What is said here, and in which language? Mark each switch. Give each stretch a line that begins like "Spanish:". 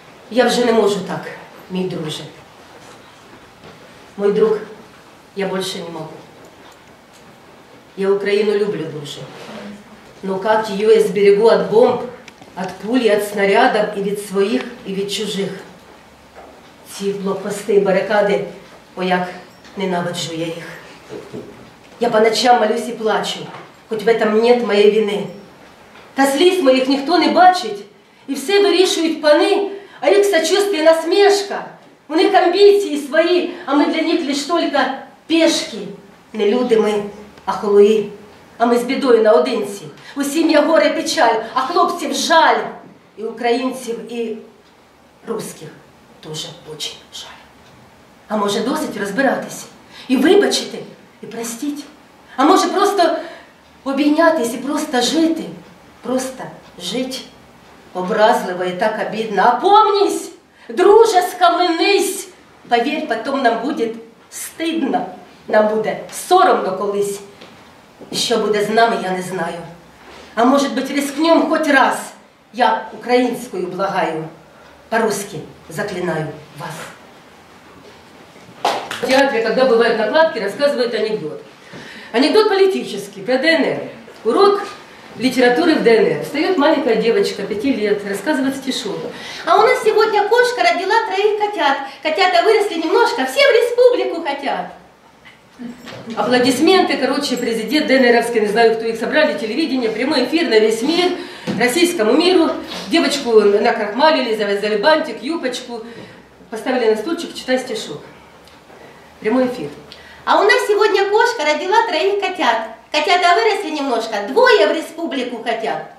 Russian: Я уже не могу так, мой друже. Мой друг, я больше не могу. Я Украину люблю дуже. Но как ее я сберегу от бомб, от пулей, от снарядов и від своих, и від чужих?
Ukrainian: Ці блокпости і барикади, о, як ненавиджу я їх. Я по ночам молюсь і плачу, хоч
Russian: в этом нет
Ukrainian: моєї вини. Та сліз моїх ніхто не бачить, і все вирішують пани, а їх
Russian: сочувствие насмешка.
Ukrainian: У них амбіції свої, а ми для них лише тільки пешки. Не люди ми, а холуї. А ми з бідою наодинці. У сім'ї горе печаль, а хлопців жаль. І українців, і русських дуже дуже жаль. А може досить розбиратися? І вибачити, і простити? А може просто обійнятися і просто жити? Просто жити образливо і так обідно. А помнись, друже, скаменись! Повірь, потім нам буде стидно. Нам буде соромно колись. Що буде з нами, я не знаю. А може бути, рискнем хоч раз. Я українською благаю.
Russian: По-русски заклинаю вас.
Ukrainian: В театрі, коли бувають накладки, розказують анекдот. Анекдот політичний, про ДНР. Урок літератури в ДНР. Встає маленька дівчинка, 5 років, розказує стишок. А у нас сьогодні кошка родила троїх котят. Котята виросли
Russian: немножко,
Ukrainian: всі в республіку хотят.
Russian: Аплодисменты, короче, президент ДНРовский, не знаю, кто их собрали, телевидение, прямой эфир на весь мир, российскому миру. Девочку накрахмалили, завязали бантик, юбочку, поставили на стульчик, читай стишок. Прямой эфир. А у нас сегодня кошка родила троих котят. Котята выросли немножко, двое в республику хотят.